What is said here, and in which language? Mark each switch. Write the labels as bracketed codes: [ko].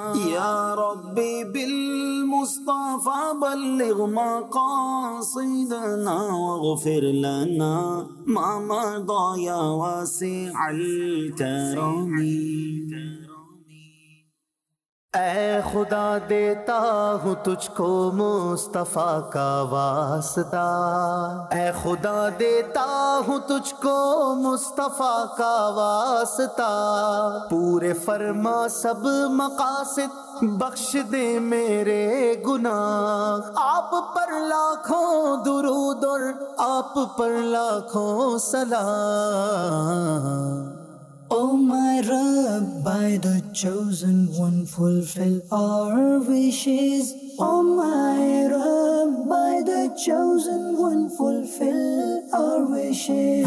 [ar] يا ربي مصطفى بلغ مقاصدنا واغفر لنا ما مضى يا واسع الكرم. [ur] اے خدا دیتا ہوں تجھ کو مصطفیٰ کا واسطہ. اے خدا دیتا ہوں تجھ کو مصطفیٰ کا واسطہ. پورے فرما سب مقاصد بخش دے میرے گناہ. آپ پر لاکھوں درود اور آپ پر لاکھوں سلام. [en] O my Rabb, by the chosen one, fulfill our wishes. O my Rabb, by the chosen one, fulfill our wishes.